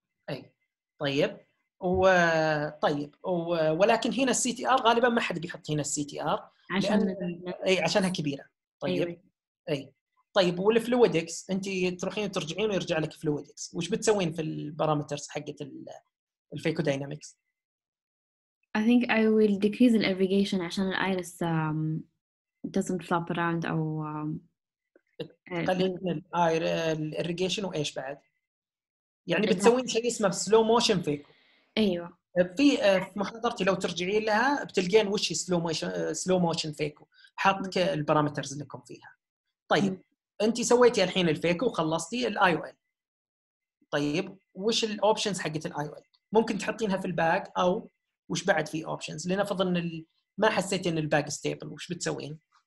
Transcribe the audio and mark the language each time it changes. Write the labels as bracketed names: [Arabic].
[Arabic] أي طيب وطيب ولكن هنا السي تي آر غالبا ما حد بيحط هنا السي تي آر عشان أي عشانها كبيرة. طيب أي طيب والفلويدكس أنت تروحين وترجعين ويرجع لك فلويدكس، وش بتسوين في البارامترز حقة الفيكو داينامكس؟ [English] I think I will decrease the irrigation [Arabic] عشان الأيرس [English] doesn't flop around or [Arabic] تقللين من الاير الاريجيشن. وايش بعد يعني بتسوين شيء اسمه سلو موشن فيكو؟ ايوه في محاضرتي لو ترجعين لها بتلقين وش سلو موشن فيكو حط البارامترز لكم فيها. طيب انت سويتي الحين الفيكو وخلصتي الاي او ال، طيب وش الاوبشنز حقت الاي او ال؟ ممكن تحطينها في الباك او وش بعد في اوبشنز؟ لنفرض ان ما حسيتي ان الباك ستيبل وش بتسوين؟